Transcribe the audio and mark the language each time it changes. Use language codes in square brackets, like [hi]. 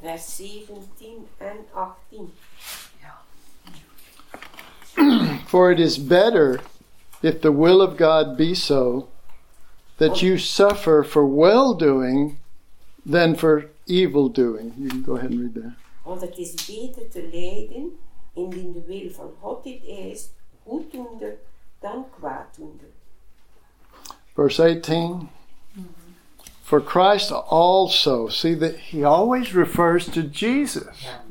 [nl] Vers 17 en 18. [en] For it is better, if the will of God be so, that you suffer for well-doing than for evil-doing. You can go ahead and read that. [nl] Want het is beter te lijden, indien de wil van God dit is, goeddoende dan kwaaddoende. [en] Verse 18. For Christ also, see that he always refers to Jesus.